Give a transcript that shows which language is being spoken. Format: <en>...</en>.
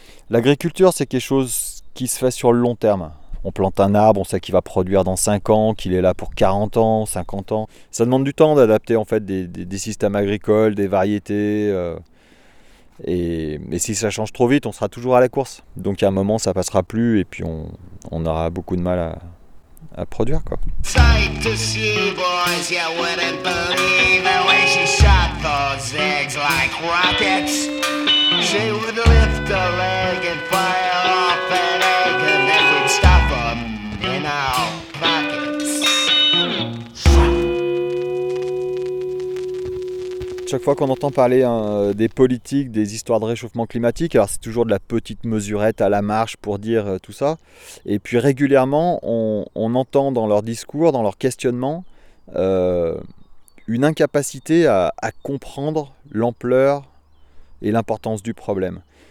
<fr>L'agriculture, c'est quelque chose qui se fait sur le long terme. On plante un arbre, on sait qu'il va produire dans 5 ans, qu'il est là pour 40 ans, 50 ans. Ça demande du temps d'adapter en fait des systèmes agricoles, des variétés. Mais si ça change trop vite, on sera toujours à la course. Donc à un moment, ça ne passera plus, et puis on aura beaucoup de mal à produire, quoi.</fr> <en>Sight to see, boys, you wouldn't believe the way she shot those eggs like rockets. She would lift a leg and fire off an egg, and then we'd stuff them in our pockets.</en> <fr>Chaque fois qu'on entend parler des politiques, des histoires de réchauffement climatique, alors c'est toujours de la petite mesurette à la marge pour dire tout ça. Et puis régulièrement, on entend dans leurs discours, dans leurs questionnements, une incapacité à comprendre l'ampleur et l'importance du problème.</fr>